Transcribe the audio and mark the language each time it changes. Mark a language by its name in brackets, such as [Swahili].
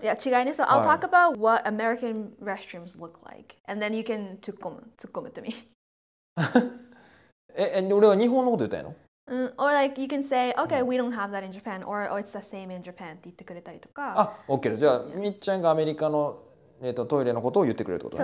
[English] Yeah, [Japanese] 違いね。 [English] So I'll talk about what American restrooms look like. And then you can 突っ込むto me. [Japanese] え、俺は日本のこと言ったんやの? [English] Or like you can say, okay, we don't have that in Japan. Or, or it's the same in Japan [Japanese] って言ってくれたりとか。あ、OK です。じゃあ、みっちゃんがアメリカの、トイレのことを言ってくれるってことね。